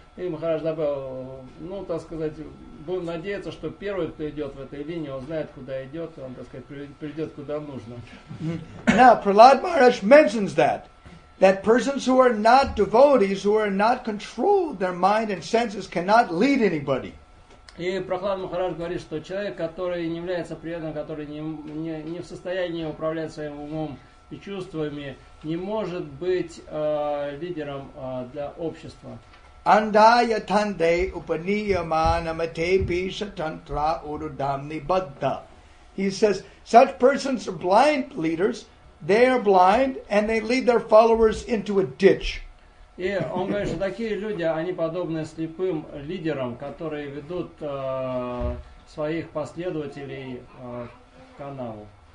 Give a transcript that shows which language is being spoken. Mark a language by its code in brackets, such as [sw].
[ru] И Махарадж добавил, ну, так сказать, будем надеяться, что первый, кто идет в этой линии, он знает, куда идет, он, так сказать, придет, куда нужно. [en] Now, Prahlad Maharaj mentions that. That persons who are not devotees, who are not controlled, their mind and senses cannot lead anybody. [ru] И Прохлад Махарадж говорит, что человек, который не является преданным, который не в состоянии управлять своим умом и чувствами, не может быть лидером для общества. [sa] Андая танде упания манамате пишатантра урудамни бадда. [en] He says, such persons are blind leaders. They are blind, and they lead their followers into a ditch. [ru] И он говорит, что такие люди, они подобны слепым лидерам, которые ведут своих последователей каналу.